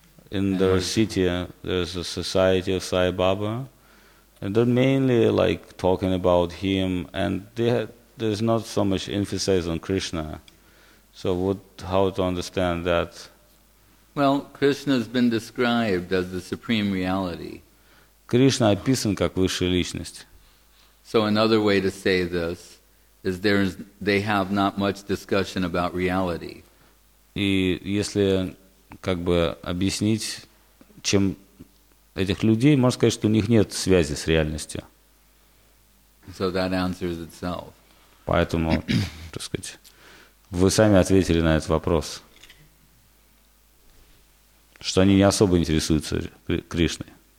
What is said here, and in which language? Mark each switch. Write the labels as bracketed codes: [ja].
[en] In the city, there's a society of Sai Baba, and they're mainly like talking about him, and there's not so much emphasis on Krishna. So what, how to understand that? Well, Krishna's been described as the supreme reality. [ru] Кришна описан как высшая личность. [en] So another way to say this is they have not much discussion about reality. [ru] И если как бы объяснить, чем этих людей, можно сказать, что у них нет связи с реальностью. [en] So that answers itself. [ru] Поэтому, так сказать, вы сами ответили на этот вопрос, что они не особо интересуются Кришной.